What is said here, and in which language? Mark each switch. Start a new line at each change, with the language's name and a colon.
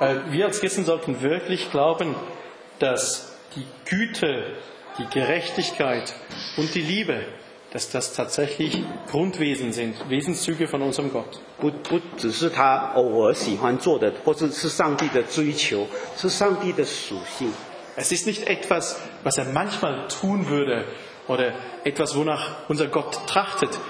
German: Wir als Christen sollten wirklich glauben, dass die Güte, die Gerechtigkeit und die Liebe, dass das tatsächlich Grundwesen sind, Wesenszüge von unserem Gott.
Chinese: 不只是他偶尔喜欢做的，或者是上帝的追求，是上帝的属性。
German: Es ist nicht etwas, was er manchmal tun würde, oder etwas, wonach unser Gott trachtet.